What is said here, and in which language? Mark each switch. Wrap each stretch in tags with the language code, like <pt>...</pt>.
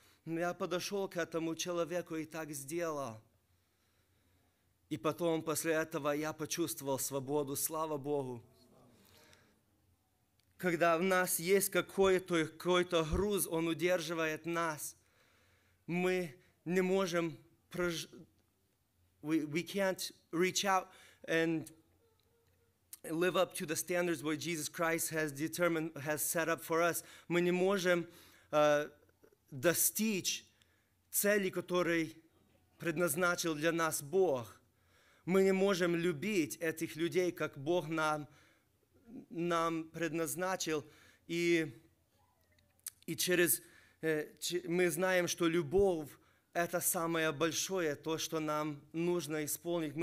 <ru>Но я подошел к этому человеку и так сделал. И потом, после этого, я почувствовал свободу, слава Богу. Когда в нас есть какой-то груз, он удерживает нас. Мы не можем</ru> <en>we can't reach out and live up to the standards what Jesus Christ has determined, has set up for us.</en> <ru>Мы не можем достичь цели, которую предназначил для нас Бог. Мы не можем любить этих людей, как Бог нам предназначил, и через мы знаем, что любовь – это самое большое, то, что нам нужно исполнить.</ru>